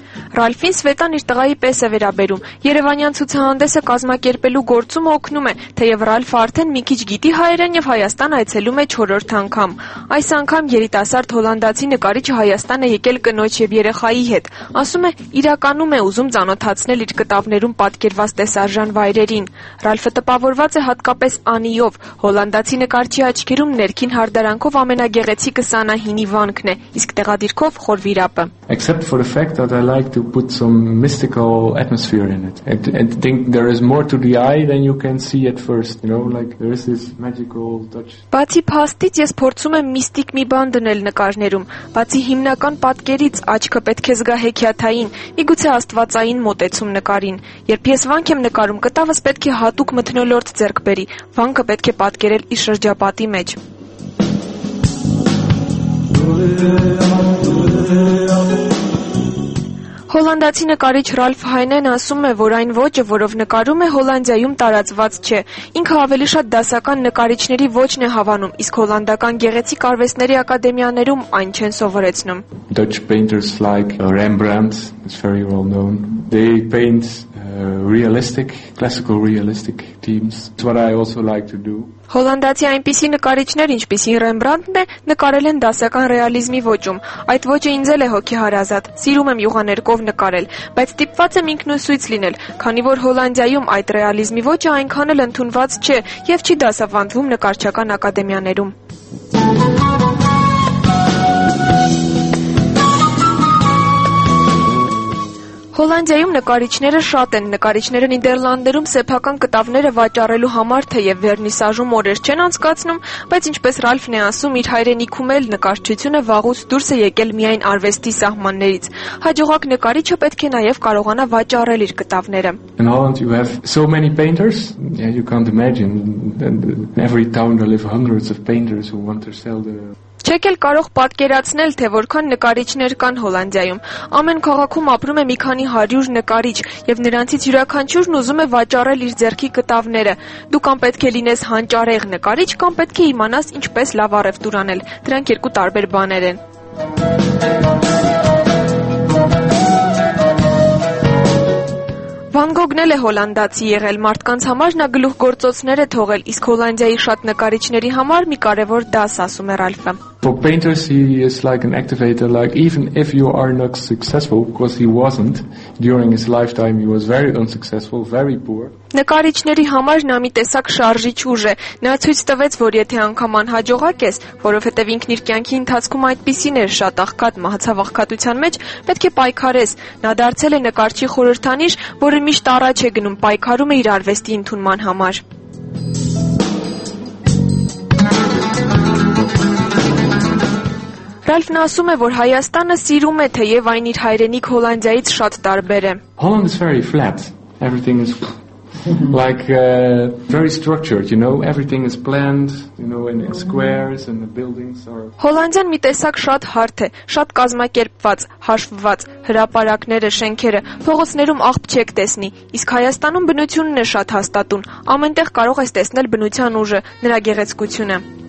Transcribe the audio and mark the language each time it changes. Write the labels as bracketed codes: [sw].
[hy] Ռալֆին Սվետան իր տղայի պես է վերաբերում։ Երևանյան ցուցահանդեսը կազմակերպելու գործում օգնում է, թեև Ռալֆը արդեն մի քիչ գիտի հայերեն եւ Հայաստան այցելում է 4-րդ անգամ։ Այս անգամ երիտասարդ հոլանդացի նկարիչը Հայաստան է եկել կնոջ եւ երեխայի հետ։ Ասում է, իրականում է ուզում ծանոթացնել իր կտավներում պատկերված տեսարժան վայրերին։ Ռալֆը տպավորված է հատկապես Անիով։ Հոլանդացի նկարչի աչքերում ներքին հարդարանքով ամենագեղեցիկ 29-ի վանքն է, իսկ տեղադիրքով խորվիրապը։ [en] Except for the fact that I like to put some mystical atmosphere in it. I think there is more to the eye than you can see at first, you know, like there is this magical touch. [hy] Բացի փաստից ես փորձում եմ միստիկ մի բան դնել նկարներում, բացի հիմնական պատկերից աչքը պետք է զգա հեքիաթային, միգուցե աստվածային մոտեցում նկարին։ Երբ ես վանք եմ նկարում, կտավս պետք է հատուկ մթնոլորտ ձեռք բերի, վանքը պետք է պատկերել իր շրջապատի մեջ։ Հոլանդացի նկարիչ Ռալֆ Հայնեն ասում է, որ այն ոճը, որով նկարում է, Հոլանդիայում տարածված չէ։ Ինքը ավելի շատ դասական նկարիչների ոճն է հավանում, իսկ հոլանդական գեղեցիկ արվեստների ակադեմիաներում այն չեն սովորեցնում։ [en] Dutch painters like Rembrandt, it's very well known. They paint realistic, classical realistic themes. It's what I also like to do. [hy] Հոլանդացի այնպիսի նկարիչներ, ինչպիսին Ռեմբրանդտն է, նկարել են դասական ռեալիզմի ոճում։ Այդ ոճը ինձ էլ է հոգեհարազատ։ Սիրում եմ յուղաներկով նկարել, բայց ստիպված եմ ինքնուսույց լինել, քանի որ Հոլանդիայում այդ ռեալիզմի ոճը այնքան էլ ընդունված չէ եւ չի դասավանդվում նկարչական ակադեմիաներում։ Հոլանդիայում նկարիչները շատ են, նկարիչները Նիդերլանդերում սեփական կտավները վաճառելու համար թեև վերնիսաժում օրեր չեն անցկացնում, բայց ինչպես Ռալֆն է ասում, իր հայրենիքում էլ նկարչությունը վաղուց դուրս է եկել միայն արվեստի սահմաններից։ Հաջողակ նկարիչը պետք է նաև կարողանա վաճառել իր կտավները։ [en] In Holland you have so many painters, yeah, you can't imagine, and in every town there live hundreds of painters who want to sell their... [hy] Չեք էլ կարող պատկերացնել, թե որքան նկարիչներ կան Հոլանդիայում։ Ամեն քաղաքում ապրում է մի քանի 100 նկարիչ, եւ նրանցից յուրաքանչյուրն ուզում է վաճառել իր ձեռքի կտավները։ Դու կամ պետք է լինես հանճարեղ նկարիչ, կամ պետք է իմանաս ինչպես լավ առևտուր անել։ Դրանք երկու տարբեր բաներ են։ Վան Գոգն էլ է հոլանդացի եղել, մարդկանց համար նա գլուխ գործոցներ է թողել, իսկ Հոլանդիայի շատ նկարիչների համար մի կարևոր դաս, ասում է Ռալֆը։ [en] For painters, he is like an activator. Like even if you are not successful, because he wasn't during his lifetime, he was very unsuccessful, very poor. [hy] Նկարիչների համար նա մի տեսակ շարժիչ ուժ է։ Նա ցույց տվեց, որ եթե անգամ անհաջողակ ես, որովհետև ինքն իր կյանքի ընթացքում այդպիսին էր շատ աղքատ մահացավախքատության մեջ, պետք է պայքարես։ Նա դարձել է նկարչի խորհրդանիշ, որը միշտ առաջ է գնում, պայքարում է իր արվեստի ընդունման համար։ Ռալֆն ասում է, որ Հայաստանը սիրում է, թեև այն իր հայրենիք Հոլանդիայից շատ տարբեր է։ [en] Holland is very flat. Everything is like very structured, you know, everything is planned, you know, in squares and the buildings are [hy] Հոլանդիան մի տեսակ շատ հարթ է, շատ կազմակերպված, հաշվված, հրապարակները, շենքերը, փողոցներում աղբ չեք տեսնի, իսկ Հայաստանում բնությունն է շատ հաստատուն, ամենտեղ կարող ես տեսնել բնության ուժը, նրա գեղեցկությունը։